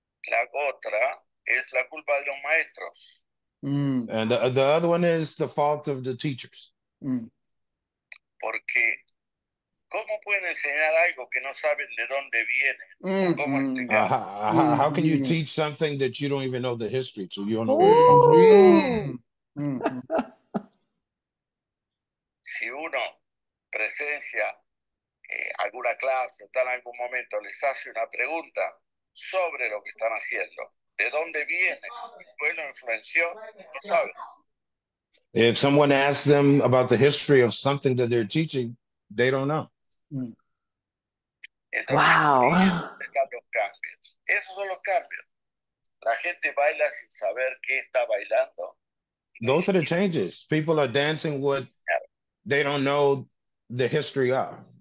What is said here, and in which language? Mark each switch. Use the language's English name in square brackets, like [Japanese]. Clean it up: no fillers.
[Spanish] La otra es la culpa de los maestros. [English] And the other one is the fault of the teachers. [Spanish] Porque, ¿cómo pueden enseñar algo que no saben de dónde viene? [English] How can you teach something that you don't even know the history to? You don't know where it comes from. [Spanish] Si uno presencia alguna clase o tal en algún momento les hace una pregunta sobre lo que están haciendo, ¿de dónde viene? ¿Quién lo influenció? No saben. [English] If someone asks them about the history of something that they're teaching, they don't know. Wow. [Spanish] Esos son los cambios. La gente baila sin saber qué está bailando. [English] Those are the changes. People are dancing what they don't know the history of.